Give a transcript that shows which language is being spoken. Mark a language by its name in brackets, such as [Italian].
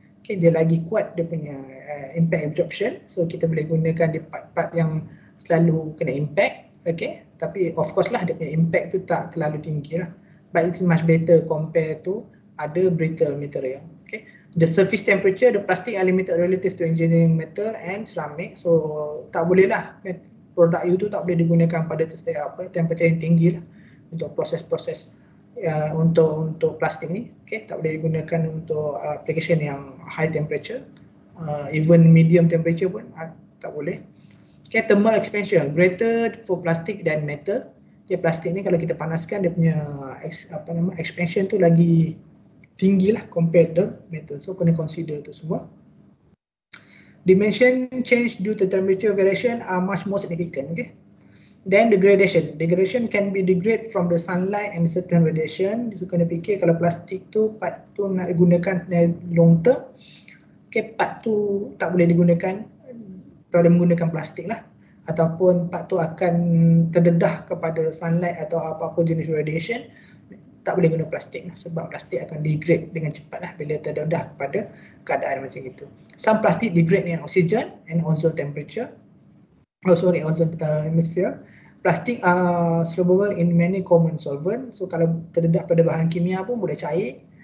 [Malay] Okay, dia lagi kuat dia punya impact absorption, so kita boleh gunakan di part-part yang selalu kena impact. Okay, tapi of course lah dia punya impact tu tak terlalu tinggi lah. [English] But it's much better compared to other brittle material. Okay, the surface temperature, the plastic are limited relative to engineering metal and ceramic. [Malay] So tak boleh lah produk itu tak boleh digunakan pada temperature yang tinggi lah untuk proses-proses untuk plastik ni. Okay, tak boleh digunakan untuk application yang high temperature, [English] even medium temperature [Malay] pun tak boleh. [English] Okay, thermal expansion greater for plastic than metal. [Malay] Ya, plastik ni kalau kita panaskan dia punya expansion tu lagi tinggi lah [English] compared to metal. [Malay] So kena consider tu semua. [English] Dimension change due to temperature variation are much more significant. Okay. Then degradation. Degradation can be degraded from the sunlight and certain radiation. [Malay] So kena fikir kalau plastik tu part tu nak digunakan long term. Okay, part tu tak boleh digunakan pada menggunakan plastik lah. Ataupun part tu akan terdedah kepada sunlight atau apa-apa jenis radiation, tak boleh guna plastik lah, sebab plastik akan degrade dengan cepat lah bila terdedah kepada keadaan macam itu. [English] Some plastic degrade dengan oxygen and ozone temperature. Oh sorry, ozone atmosphere. Plastik are soluble in many common solvent. [Malay] So kalau terdedah pada bahan kimia pun boleh cair.